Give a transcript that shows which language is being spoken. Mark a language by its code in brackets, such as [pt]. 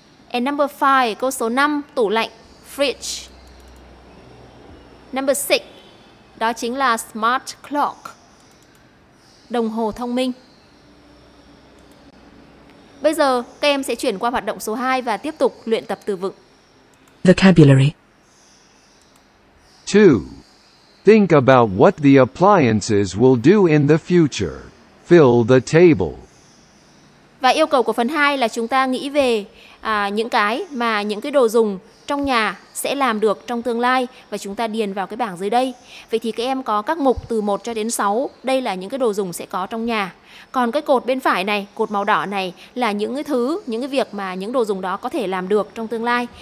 [en] And number 5, [vi] câu số 5, tủ lạnh, fridge. [en] Number 6, [vi] đó chính là smart clock, đồng hồ thông minh. Bây giờ các em sẽ chuyển qua hoạt động số 2 và tiếp tục luyện tập từ vựng. [en] Vocabulary. 2. Think about what the appliances will do in the future. Fill the table. [vi] Và yêu cầu của phần 2 là chúng ta nghĩ về những cái mà những cái đồ dùng trong nhà sẽ làm được trong tương lai và chúng ta điền vào cái bảng dưới đây. Vậy thì các em có các mục từ 1 cho đến 6, đây là những cái đồ dùng sẽ có trong nhà. Còn cái cột bên phải này, cột màu đỏ này là những cái thứ, những cái việc mà những đồ dùng đó có thể làm được trong tương lai.